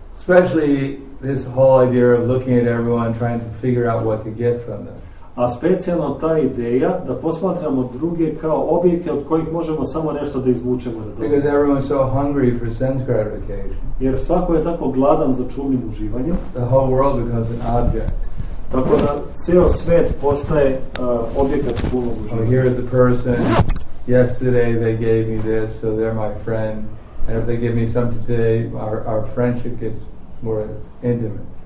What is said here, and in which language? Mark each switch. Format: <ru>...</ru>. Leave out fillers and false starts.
<en>Especially this whole idea of looking at everyone trying to figure out what to get from them.</en> <sr>A specijalno ta ideja da posmatramo druge kao objekte od kojih možemo samo nešto da izvučemo.</sr> <en>Because everyone is so hungry for sense gratification.</en> <sr>Jer svako je tako gladan za čudnim uživanjem.</sr> <en>The whole world becomes an object.</en> <sr>Tako da ceo svet postaje objekat čudnog uživanja.</sr> <en>Oh, here is a person. Yesterday they gave me this, so they're my friend. And if they give me something today, our friendship gets more intimate.</en>